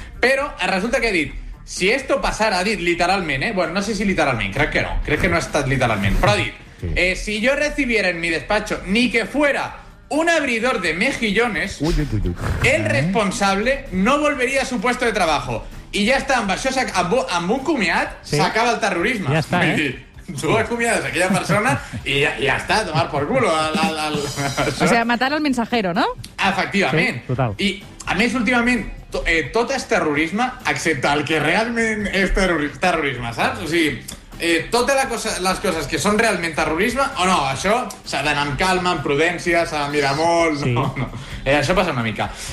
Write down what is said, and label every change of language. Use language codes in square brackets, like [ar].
[ca] Però resulta que ha dit, [es] si esto pasara, [ca] ha dit literalment, bueno, no sé si literalment, crec que no ha estat literalment, però ha dit, [es] si yo recibiera en mi despacho, ni que fuera un abridor de mejillones, el responsable no volvería a su puesto de trabajo. Y ya está, [ca] amb un comiat s'acaba el terrorisme. Ja està, Tu acomiades aquella persona i ja està, [es] tomar por culo. O sea, matar al mensajero, ¿no? [ca] Efectivament. Sí, total. I, a més, últimament, tot és terrorisme, excepte el que realment és terrorisme, saps? O sigui, totes les coses que són realment terrorisme, o no, això s'ha d'anar amb calma, amb prudència, s'ha de mirar molt... Sí. No. Això passa una mica.